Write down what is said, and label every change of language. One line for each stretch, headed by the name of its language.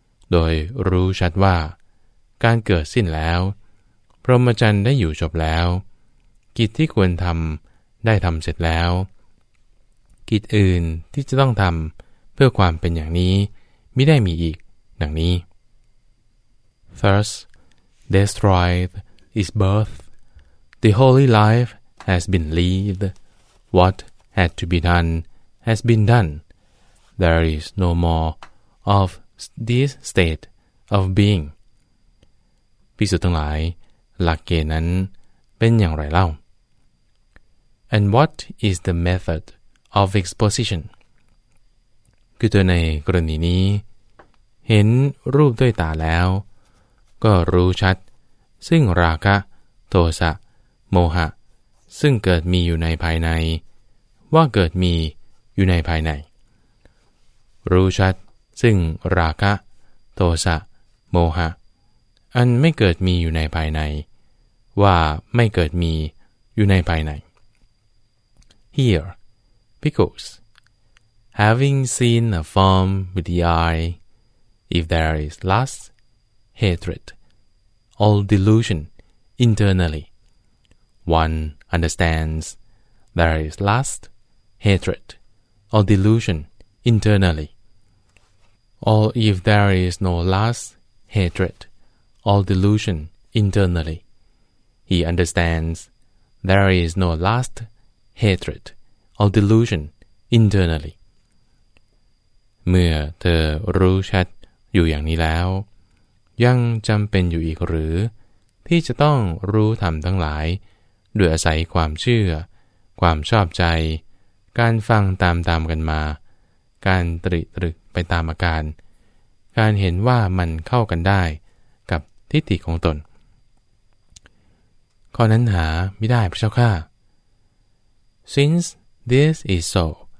Thai: โดยรู้ชัดว่าการเกิดสิ้นแล้วพรหมจรรย์ได้อยู่จบแล้วกิจที่ควรทำได้ทำเสร็จแล้วกิจอื่นที่จะต้องทำเพื่อความเป็นอย่างนี้ไม่ได้มีอีกดังนี้
English: Thus, destroyed is birth. The holy life has been lived. What had to be done has been done. There is no more of this state of being.
Thai: ภิกษุทั้งหลายหลักเกณฑ์นั้นเป็นอย่างไรเล่า
English: And what is the methodOf exposition.
Thai: คือตัวในกรณีนี้เห็นรูปด้วยตาแล้วก็รู้ชัดซึ่งราคะโทสะโมหะซึ่งเกิดมีอยู่ในภายในว่าเกิดมีอยู่ในภายใน รู้ชัดซึ่งราคะโทสะโมหะอันไม่เกิดมีอยู่ในภายในว่าไม่เกิดมีอยู่ในภายใน
English: HereBecause, having seen a form with the eye, if there is lust, hatred, all delusion internally, one understands there is lust, hatred, all delusion internally. Or if there is no lust, hatred, all delusion internally, he understands there is no lust, hatred. All delusion internally.
Thai: เมื่อเธอรู้ชัดอยู่อย่างนี้แล้วยังจำเป็นอยู่อีกหรือที่จะต้องรู้ธรรมทั้งหลายด้วยอาศัยความเชื่อความชอบใจการฟังตามกันมาการตริตรึกไปตามอาการการเห็นว่ามันเข้ากันได้กับทิฏฐิของตนข้อนั้นหาไม่ได้พระเจ้าค่ะ
English: SinceThis is so.